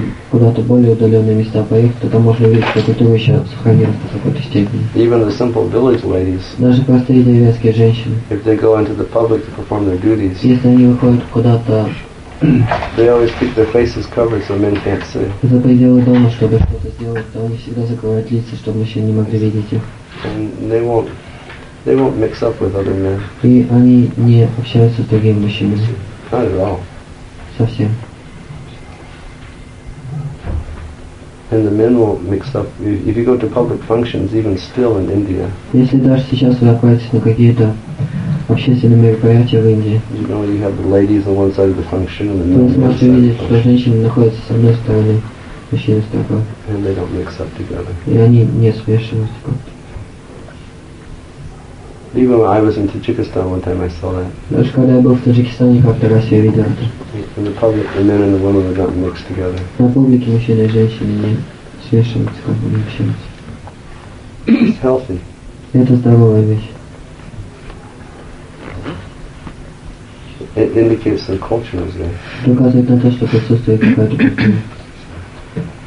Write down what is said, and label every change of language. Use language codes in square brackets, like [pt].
[ru] Куда-то более удаленные места поехать, то там можно увидеть, что культура еще сохранилась до какой-то степени. [en] Even the simple village ladies, [ru] даже простые деревенские женщины, [en] if they go into the public to perform their duties, [ru] если они выходят куда-то, [en] they always keep their faces covered so men can't see. [ru] За пределы дома, чтобы что-то сделать, то они всегда закрывают лица, чтобы мужчины не могли видеть их. [en] And they won't mix up with other men. [ru] И они не общаются с другими мужчинами. [en] Not at all. [ru] Совсем. [en] And the men will mix up. If you go to public functions, even still in India, [ru] если даже сейчас вы отправитесь на какие-то общественные мероприятия в Индии, [en] you know, you have the ladies on one side of the function and the men on the other side. [ru] Вы сможете видеть, что женщины находятся с одной стороны, мужчины с другой. [en] And they don't mix up together. [ru] И они не смешиваются как-то. [en] Even when I was in Tajikistan one time, I saw that. [ru] Даже когда я был в Таджикистане, как-то раз я видел это. [en] In the public, the men and the women are not mixed together. [ru] На публике мужчины и женщины не смешиваются, как бы не общаются. [en] It's healthy. [ru] Это здоровая вещь. [en] It indicates that culture is there. [ru] Доказывает на то, что присутствует какая-то культура.